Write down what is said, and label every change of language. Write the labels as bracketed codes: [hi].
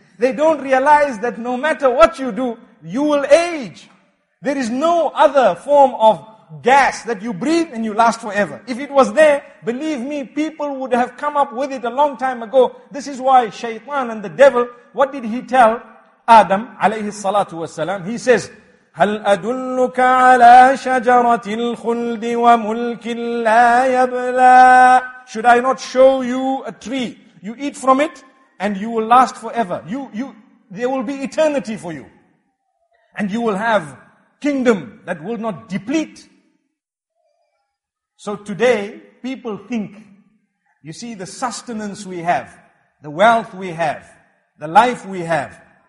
[en] They don't realize that no matter what you do, you will age. There is no other form of gas that you breathe and you last forever. If it was there, believe me, people would have come up with it a long time ago. This is why Shaytan and the devil, what did he tell Adam alayhi salatu wasalam? He says, [ar] هَلْ أَدُلُّكَ عَلَىٰ شَجَرَةِ الْخُلْدِ وَمُلْكٍ لَا يَبْلَىٰ. [en] Should I not show you a tree? You eat from it and you will last forever. There will be eternity for you. And you will have kingdom that will not deplete. So today, people think, you see the sustenance we have, the wealth we have, the life we have.